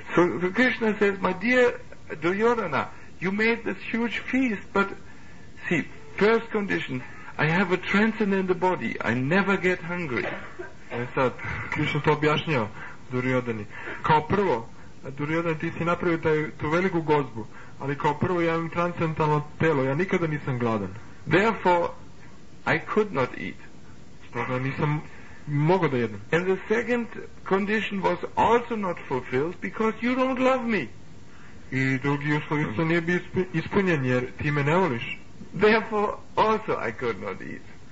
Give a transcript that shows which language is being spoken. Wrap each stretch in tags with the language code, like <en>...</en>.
<en>So Krishna says, my dear Duryodhana, you made this huge feast, but see, first condition, I have a transcendental body, I never get hungry.</en> <sr>E sad, Krishna to objašnjava. Duryodhani. Kao prvo, Duryodhana, ti si napravio taj, tu veliku gozbu, ali kao prvo ja imam transcendentalno telo, ja nikada nisam gladan.</sr> <en>Therefore, I could not eat.</en> <sr>Stoga nisam mogao da jedem.</sr> <en>And the second condition was also not fulfilled because you don't love me.</en> <sr>I drugi uslov isto nije bio ispunjen jer ti me ne voliš.</sr> <en>Therefore, also I could not eat.</en>